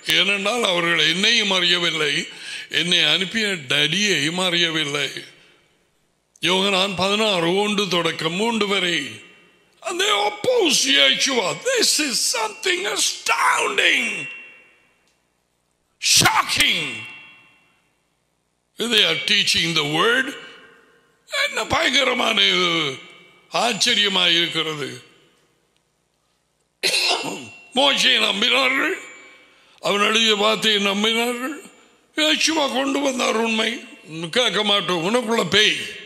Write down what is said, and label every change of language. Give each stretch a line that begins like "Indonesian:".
Tamil: ஏனென்றால் அவர்கள் என்னையும் அறியவில்லை, என்னை அனுப்பிய டடியையும் அறியவில்லை.
English: யோகனான் 16:1-3 and they oppose Yeshua. This is something astounding, shocking. They are teaching the word.
Tamil: என்ன பயங்கரமான ஆச்சரியமாக இருக்கிறது. மோசேயை நம்பினார்கள், அவன் எழுதிய வார்த்தையை நம்பினார்கள். யேசுவா கொண்டு வந்தார் உண்மை. கேட்க மாட்டோம், உனக்குள்ள பேய்.